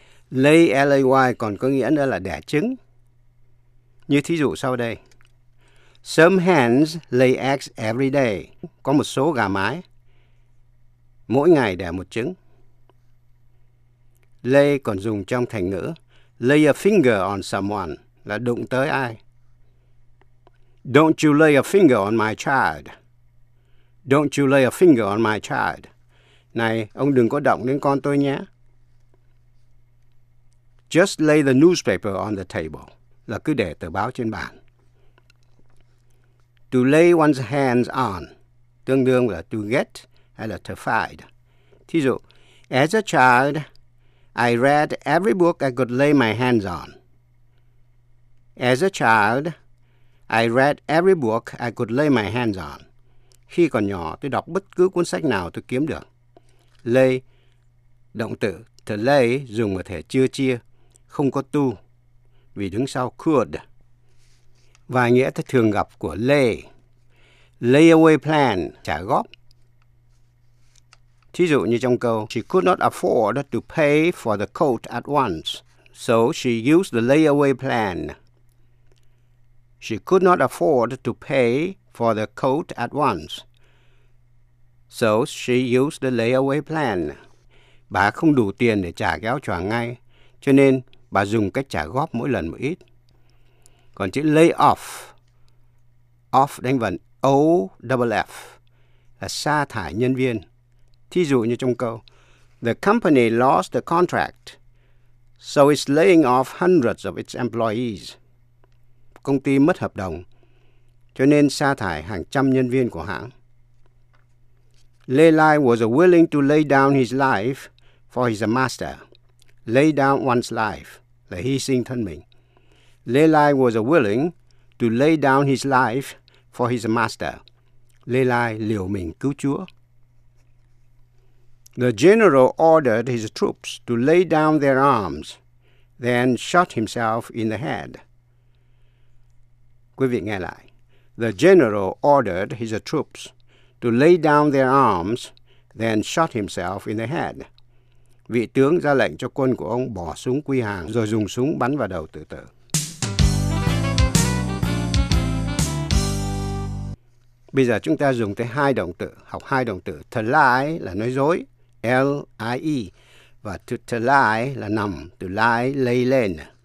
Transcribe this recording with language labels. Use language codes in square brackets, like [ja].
[vi] Lay, L-A-Y, còn có nghĩa nữa là đẻ trứng. Như thí dụ sau đây. [en] Some hens lay eggs every day. [vi] Có một số gà mái mỗi ngày đẻ một trứng. Lay còn dùng trong thành ngữ [en] lay a finger on someone [vi] là đụng tới ai. [en] Don't you lay a finger on my child. Don't you lay a finger on my child. [vi] Này, ông đừng có động đến con tôi nhé. [en] Just lay the newspaper on the table. [vi] Là cứ để tờ báo trên bàn. [en] To lay one's hands on. [vi] Tương đương là [en] to get hay là to find. [vi] Thí dụ, [en] as a child, I read every book I could lay my hands on. As a child, I read every book I could lay my hands on. [vi] Khi còn nhỏ, tôi đọc bất cứ cuốn sách nào tôi kiếm được. Lay, động từ to lay dùng ở thể chưa chia, không có to, vì đứng sau could. Và nghĩa thường gặp của lay, lay away plan, trả góp. Thí dụ như trong câu, [en] she could not afford to pay for the coat at once, so she used the layaway plan. She could not afford to pay for the coat at once, so she used the layaway plan. [vi] Bà không đủ tiền để trả cái áo choàng ngay, cho nên bà dùng cách trả góp mỗi lần một ít. Còn chữ lay off, off đánh vần O-double-F, là sa thải nhân viên. Thí dụ như trong câu, [en] the company lost the contract, so it's laying off hundreds of its employees. [vi] Công ty mất hợp đồng, cho nên sa thải hàng trăm nhân viên của hãng. [en] Lê Lai was willing to lay down his life for his master. Lay down one's life [vi] là hy sinh thân mình. [en] Lê Lai was willing to lay down his life for his master. [vi] Lê Lai liều mình cứu Chúa. [en] The general ordered his troops to lay down their arms, then shot himself in the head. [vi] Quý vị nghe lại. [en] The general ordered his troops to lay down their arms, then shot himself in the head. [vi] Vị tướng ra lệnh cho quân của ông bỏ súng quy hàng, rồi dùng súng bắn vào đầu tự tử. Bây giờ chúng ta dùng tới hai động từ, học hai động từ. To lie là nói dối, L-I-E, và to lie là nằm, to lie, lay lên.